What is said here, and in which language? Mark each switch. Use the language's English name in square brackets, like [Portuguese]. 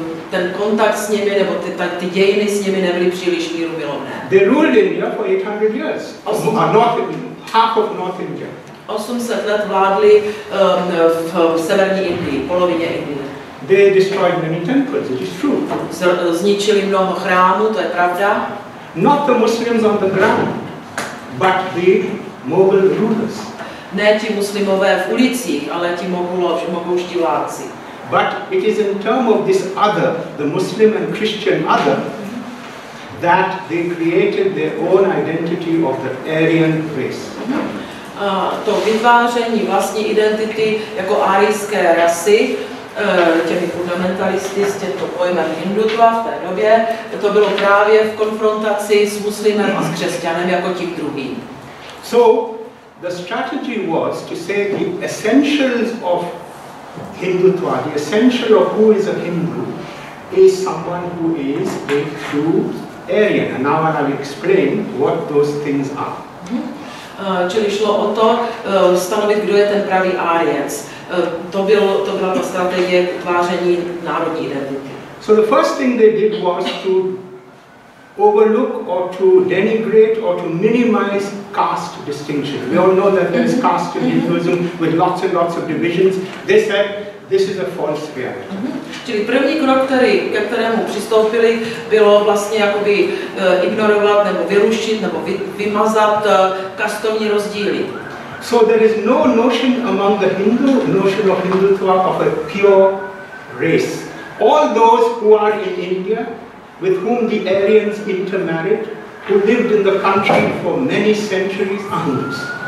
[Czech] Ten kontakt s nimi, nebo ty dějiny s nimi nebyly příliš míru milovné. [English] They ruled India for 800 years. Half of North India. [Czech] 800 let vládli v severní Indii, polovině Indie. [English] They destroyed many temples, it is true. [Czech] Zničili mnoho chrámů, to je pravda. [English] Not the Muslims on the ground, but the mobile rulers. [Czech] Ne ti muslimové v ulicích, ale ti mohouští vládci. [English] But it is in term of this other, the Muslim and Christian other, that they created their own identity of the Aryan race. [Czech] To vytváření vlastní identity jako árijské rasy těmi fundamentalisty s těmto pojmem Hindutva v té době, to bylo právě v konfrontaci s muslimem a s křesťanem jako tím druhým. [English] So the strategy was to say the essentials of Hindutva, the essential of who is a Hindu, is someone who is a true Aryan. And now I will explain what those things are. [Czech] Čili šlo o to stanovit, kdo je ten pravý Aryanec. To byla ta strategie utváření národní identity. [English] So the first thing they did was to overlook or to denigrate or to minimize caste distinction. We all know that there is caste in Hinduism with lots and lots of divisions. They said this is a false reality. [Czech] Čili první krok, ke kterému přistoupili, bylo vlastně jakoby ignorovat nebo vyrušit nebo vymazat kastovní rozdíly. [English] So there is no notion among the Hindu notion of Hindutva of a pure race. All those who are in India, with whom the Aryans intermarried, who lived in the country for many centuries, are Hindus.